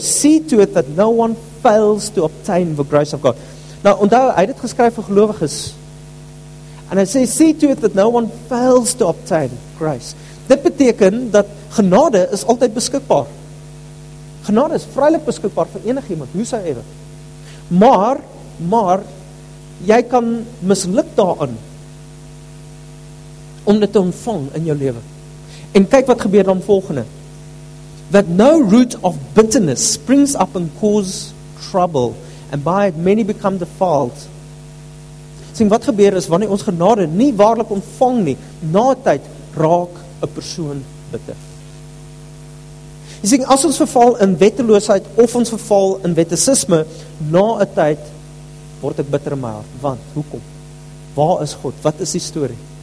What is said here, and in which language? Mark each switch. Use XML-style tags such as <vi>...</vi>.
<en>See to it that no one fails to obtain the grace of God.</en> <af>Nou, onthou, hy het dit geskryf vir gelowiges. En hy sê,</af> <en>see to it that no one fails to obtain grace.</en> <af>Dit beteken dat genade is altyd beskikbaar. Genade is vrylik beskikbaar vir enig iemand, hoe sy ewe. Maar, jy kan misluk daarin om dit te ontvang in jou lewe. En kyk wat gebeur dan volgende.</af> <en>That no root of bitterness springs up and causes trouble, and by it many become defiled.</en> <af>Sien, wat gebeur is, wanneer ons genade nie waarlik ontvang nie, na tyd raak 'n persoon bitter. Jy sien, as ons verval in wetteloosheid, of ons verval in wetticisme, na 'n tyd word ek bitter in my hart. Want, hoekom? Waar is God? Wat is die story?</af>